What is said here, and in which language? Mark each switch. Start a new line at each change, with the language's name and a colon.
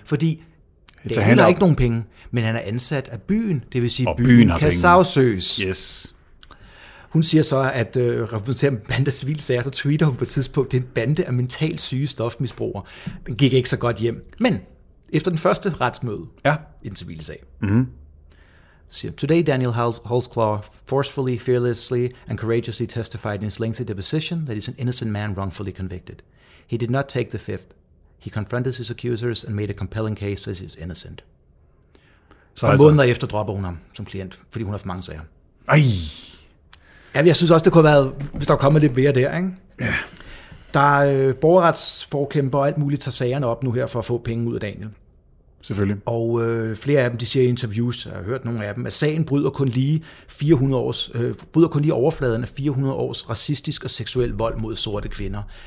Danish: Fordi det handler ikke nogen penge, men han er ansat af byen, det vil sige, og byen kan sagsøges.
English: Yes.
Danish: Hun siger så, at repræsenterer bande af civile sager, så tweeter hun på et tidspunkt, det er en bande af mentalt syge stofmisbrugere. Den gik ikke så godt hjem. Men efter den første retsmøde, ja, i den civile sag, mm-hmm.
English: Today, Daniel Holtzclaw forcefully, fearlessly, and courageously testified in his lengthy deposition that he's an innocent man wrongfully convicted. He did not take the fifth. He confronted his accusers and made a compelling case that he's innocent.
Danish: Så altså, måneder efter dropper hun ham som klient, fordi hun har for mange sager. Ej! Ja, jeg synes også, det kunne have været, hvis der var kommet lidt mere der, ikke? Ja. Der er borgerretsforkæmper og alt muligt tager sagerne op nu her for at få penge ud af Daniel. Selvfølgelig. Og flere af dem, de siger i interviews, jeg har hørt nogle af dem, at sagen bryder kun lige 400 års, bryder kun lige overfladen af 400 års racistisk og seksuel vold mod sorte kvinder.